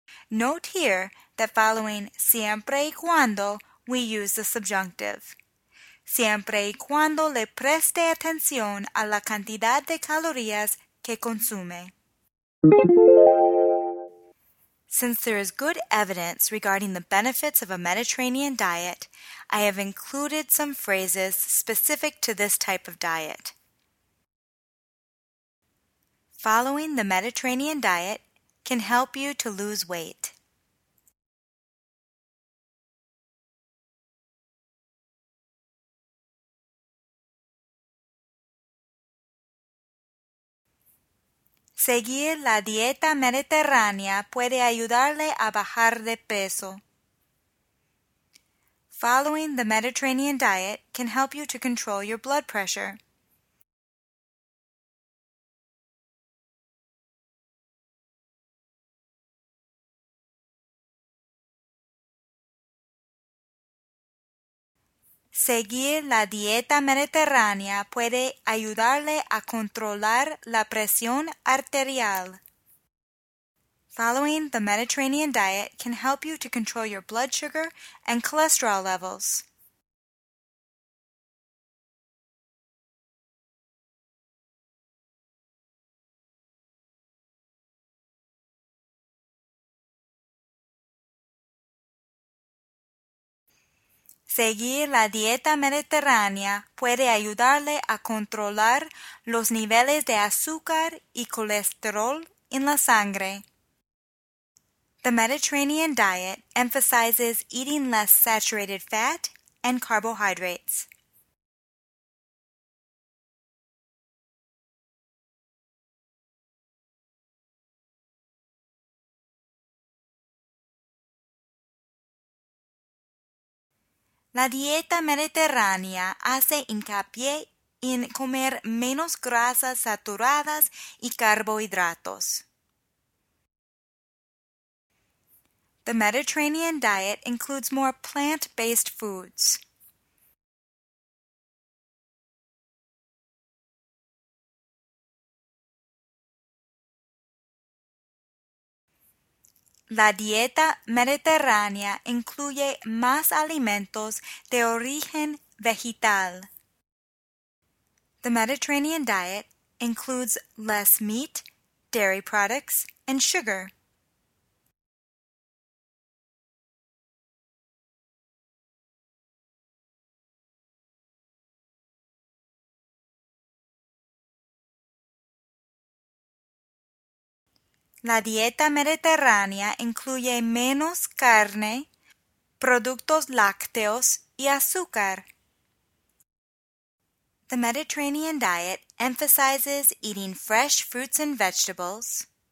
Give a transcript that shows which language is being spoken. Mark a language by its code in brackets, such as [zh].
[en] Note here that following [es] siempre y cuando, [en] we use the subjunctive. [es] Siempre y cuando le preste atención a la cantidad de calorías que consume. [en] Since there is good evidence regarding the benefits of a Mediterranean diet, I have included some phrases specific to this type of diet. Following the Mediterranean diet can help you to lose weight. [es] Seguir la dieta mediterránea puede ayudarle a bajar de peso. [en] Following the Mediterranean diet can help you to control your blood pressure. [es] Seguir la dieta mediterránea puede ayudarle a controlar la presión arterial. [en] Following the Mediterranean diet can help you to control your blood sugar and cholesterol levels. [es] Seguir la dieta mediterránea puede ayudarle a controlar los niveles de azúcar y colesterol en la sangre. [en] The Mediterranean diet emphasizes eating less saturated fat and carbohydrates. [es] La dieta mediterránea hace hincapié en comer menos grasas saturadas y carbohidratos. [en] The Mediterranean diet includes more plant-based foods. [es] La dieta mediterránea incluye más alimentos de origen vegetal. [en] The Mediterranean diet includes less meat, dairy products, and sugar. [es] La dieta mediterránea incluye menos carne, productos lácteos y azúcar. [en] The Mediterranean diet emphasizes eating fresh fruits and vegetables.